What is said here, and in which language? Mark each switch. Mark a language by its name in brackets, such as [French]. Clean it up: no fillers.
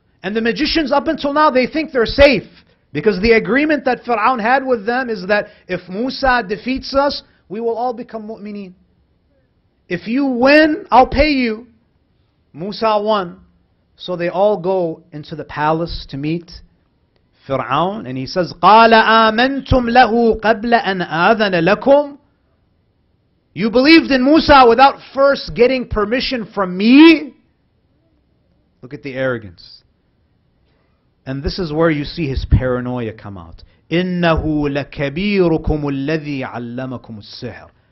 [English] And the magicians up until now, they think they're safe. Because the agreement that Fir'aun had with them is that if Musa defeats us, we will all become mu'mineen. If you win, I'll pay you. Musa won. So they all go into the palace to meet Fir'aun. And he says, [Arabic] قَالَ آمَنْتُمْ لَهُ قَبْلَ أَنْ آذَنَ لَكُمْ. [English] You believed in Musa without first getting permission from me? Look at the arrogance. And this is where you see his paranoia come out. [Arabic] إِنَّهُ لَكَبِيرُكُمُ الَّذِي عَلَّمَكُمُ السِّحْرِ.